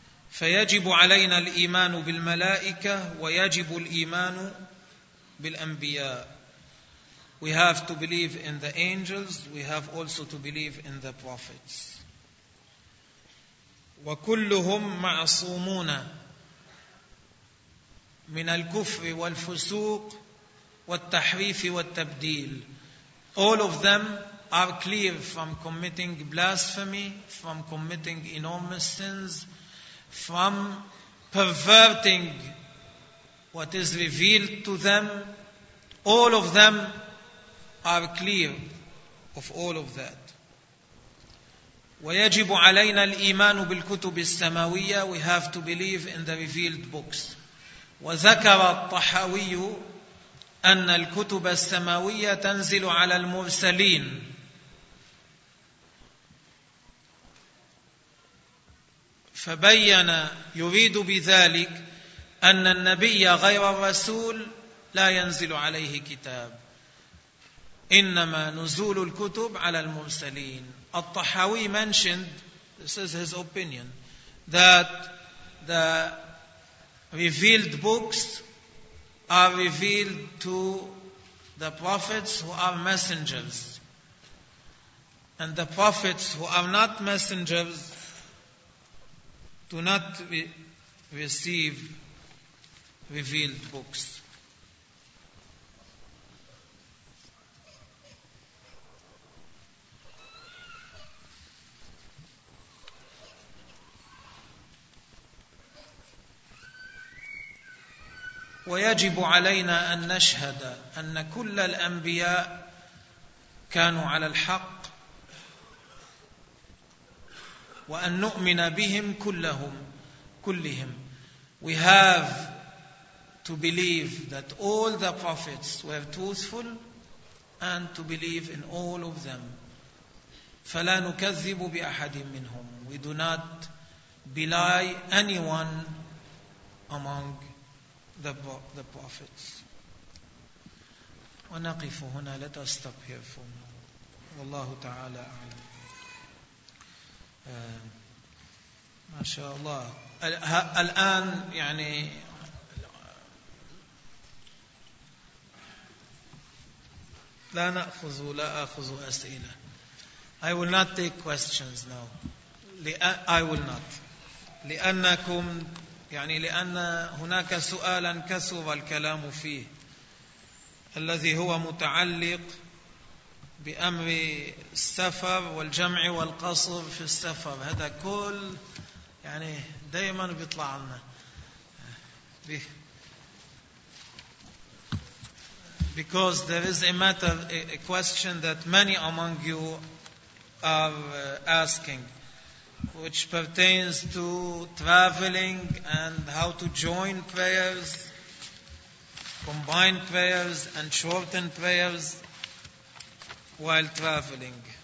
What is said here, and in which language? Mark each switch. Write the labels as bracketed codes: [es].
[ar] فيجب علينا الإيمان بالملائكة ويجب الإيمان بالأنبياء. [en] We have to believe in the angels, we have also to believe in the prophets. [ar] وكلهم معصومون. من الكفر والفسوق والتحريف والتبديل [en] All of them are clear from committing blasphemy, from committing enormous sins, from perverting what is revealed to them. All of them are clear of all of that. [ar] ويجب علينا الإيمان بالكتب السماوية [en] We have to believe in the revealed books. [ar] وذكر الطحاوي أن الكتب السماوية تنزل على المرسلين فبين يريد بذلك أن النبي غير الرسول لا ينزل عليه كتاب إنما نزول الكتب على المرسلين الطحاوي [en] mentioned this is his opinion, that the revealed books are revealed to the prophets who are messengers. And the prophets who are not messengers do not receive revealed books. [ar] ويجب علينا أن نشهد أن كل الأنبياء كانوا على الحق وأن نؤمن بهم كلهم كلهم. [en] We have to believe that all the prophets were truthful and to believe in all of them. [ar] فلا نكذب بأحد منهم. [en] We do not belie anyone among the prophets. [ar] ونقف هنا. [en] Let us stop here for now. [ar] والله تعالى أعلم. ما شاء الله. الآن يعني لا نأخذ ولا أخذ أسئلة. [en] I will not take questions now. I will not. [ar] لأنكم يعني لأن هناك سؤالا كثر الكلام فيه الذي هو متعلق بأمر السفر والجمع والقصر في السفر. هذا كل يعني دائما بيطلع لنا [en] because there is a matter, a question that many among you are asking, which pertains to traveling and how to join prayers, combine prayers and shorten prayers while traveling.